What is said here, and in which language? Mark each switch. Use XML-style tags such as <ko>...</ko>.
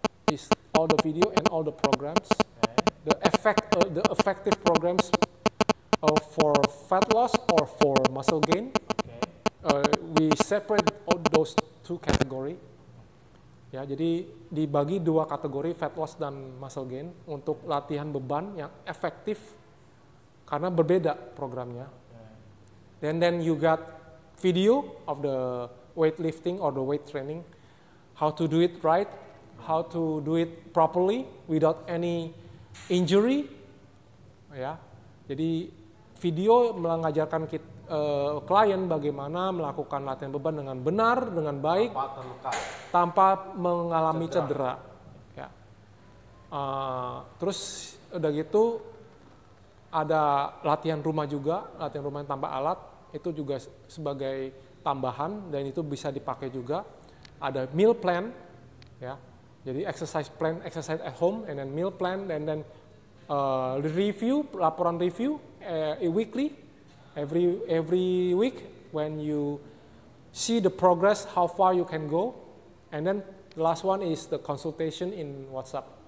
<en>Is all the video and all the programs, okay. The effective programs for fat loss or for muscle gain. Okay. We separate all those two category.</en> <id>Ya, jadi dibagi 2 kategori fat loss dan muscle gain untuk latihan beban yang efektif karena berbeda programnya.</id> <en>Okay. Then you got video of the weightlifting or the weight training, how to do it right. How to do it properly without any injury, ya.</en> <id>Jadi video mengajarkan klien bagaimana melakukan latihan beban dengan benar, dengan baik, tanpa terluka, tanpa mengalami cedera. Ya. Terus udah gitu ada latihan rumah juga, latihan rumah yang tanpa alat itu juga sebagai tambahan dan itu bisa dipakai juga. Ada meal plan, ya.</id> <en>Jadi exercise plan, exercise at home, and then meal plan, and then review, laporan review weekly, every week when you see the progress, how far you can go, and then the last one is the consultation in WhatsApp.</en>